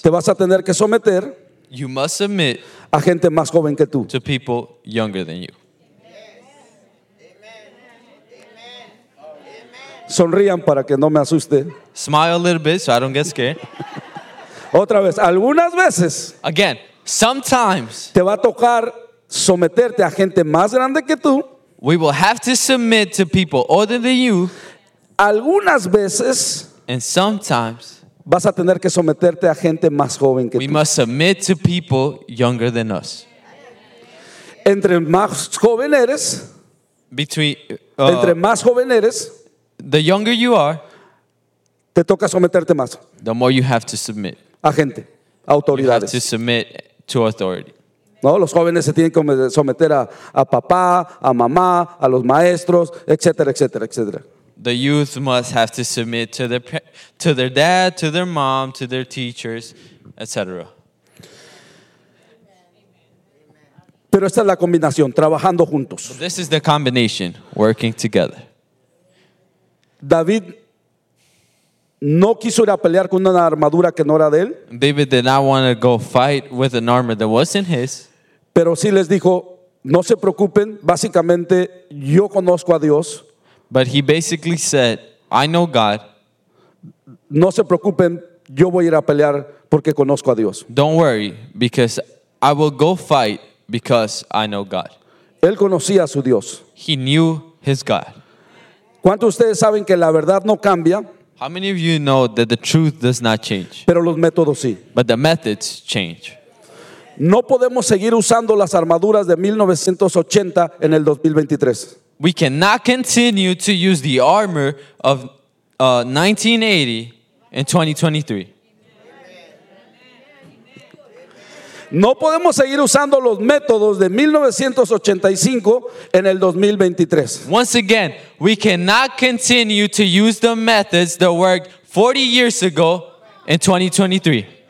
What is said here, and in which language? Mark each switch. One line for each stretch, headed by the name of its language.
Spanish: Te vas a tener que someter.
English: You must submit.
Spanish: A gente más joven que tú.
English: To people younger than you.
Spanish: Sonrían para que no me asuste.
English: Smile a little bit so I don't get scared.
Spanish: Otra vez, algunas veces.
English: Again, sometimes.
Spanish: Te va a tocar someterte a gente más grande que tú.
English: We will have to submit to people older than you.
Spanish: Algunas veces.
English: And sometimes.
Spanish: Vas a tener que someterte a gente más joven que
English: we
Spanish: tú.
English: We must submit to people younger than us.
Spanish: Entre más joven eres. Entre más joven eres.
English: The younger you are,
Spanish: te toca someterte más.
English: The more you have to submit.
Spanish: A gente, autoridades.
English: You have to submit to authority.
Spanish: No, los jóvenes se tienen que someter a papá, a mamá, a los maestros, etcétera, etcétera, etcétera.
English: The youth must have to submit to their dad, to their mom, to their teachers, etc.
Spanish: Pero esta es la combinación, trabajando juntos.
English: But this is the combination, working together.
Spanish: David no quiso ir a pelear con una armadura que no era de él.
English: David did not want to go fight with an armor that wasn't his.
Spanish: Pero sí les dijo, no se preocupen, básicamente yo conozco a Dios.
English: But he basically said, I know God.
Spanish: No se preocupen, yo voy a ir a pelear porque conozco a Dios.
English: Don't worry, because I will go fight because I know God.
Spanish: Él conocía a su Dios.
English: He knew his God.
Spanish: ¿Cuántos de ustedes saben que la verdad no cambia?
English: How many of you know that the truth does not change?
Spanish: Pero los métodos sí.
English: But the methods change.
Spanish: No podemos seguir usando las armaduras de 1980 en el 2023.
English: We cannot continue to use the armor of 1980 in 2023.
Spanish: No podemos seguir usando los métodos de 1985 en el 2023.
English: Once again, we cannot continue to use the methods that worked 40 years ago in 2023.